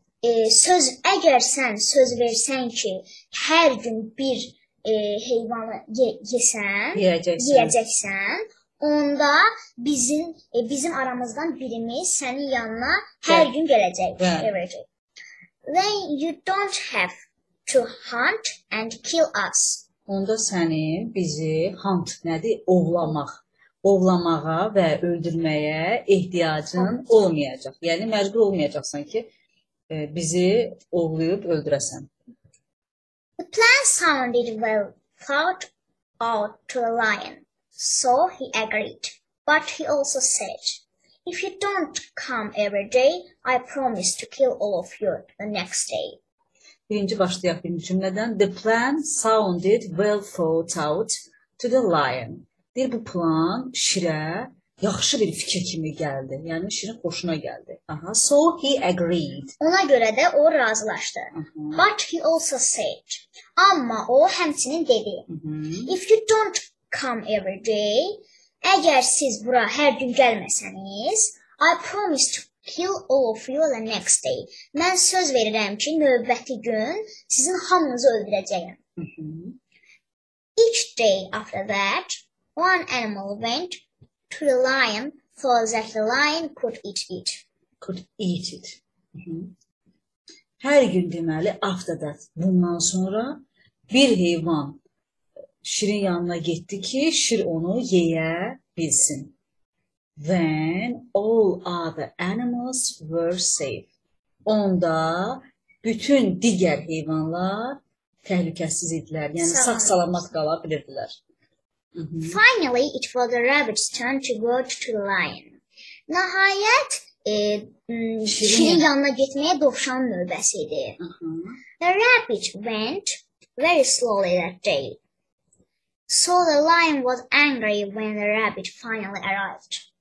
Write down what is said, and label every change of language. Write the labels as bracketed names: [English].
[Azerbaijani] Əgər sən söz versən ki, hər gün bir heyvanı yeyəcəksən, onda bizim aramızdan birimiz sənin yanına hər gün gələcək. [English] Then you don't have to hunt and kill us. [Azerbaijani] Onda səni bizi hunt nədir? Ovlamaq. Ovlamağa və öldürməyə ehtiyacın olmayacaq. Yəni məcbur olmayacaqsan ki, bizi ovlayıb öldürəsən. [English] The plan sounded well thought out to the lion, so he agreed. But he also said, "If you don't come every day, I promise to kill all of you the next day." [Azerbaijani] Birinci başlayaq birinci cümlədən. [English] The plan sounded well thought out to the lion. [Azerbaijani] Deyir, bu plan şirə yaxşı bir fikir kimi gəldi. Yəni, şirin xoşuna gəldi. [English] Aha, so he agreed. [Azerbaijani] Ona görə də o razılaşdı. [English] But he also said. [Azerbaijani] Amma o həmçinin dedi. [English] If you don't come every day, [Azerbaijani] əgər siz bura hər gün gəlməsəniz, [English] I promise to kill all of you the next day. [Azerbaijani] Mən söz verirəm ki, növbəti gün sizin hamınızı öldürəcəyim. [English] Each day after that, one animal went to the lion so that the lion could eat it. Could eat it. [Azerbaijani] Her gün deməli, [English] after that, [Azerbaijani] bundan sonra bir heyvan şirin yanına getdi ki, şir onu yeyə bilsin. [English] Then all other animals were safe. [Azerbaijani] Onda bütün digər heyvanlar təhlükəsiz idilər. Yəni, sağ-salamat qala bilirdilər. [English] Finally, it was the rabbit's turn to go to the lion. [Azerbaijani] Nəhayət, şirin yanına getməyə dovşan növbəsi idi. [English] The rabbit went very slowly that day. So the lion was angry when the rabbit finally arrived.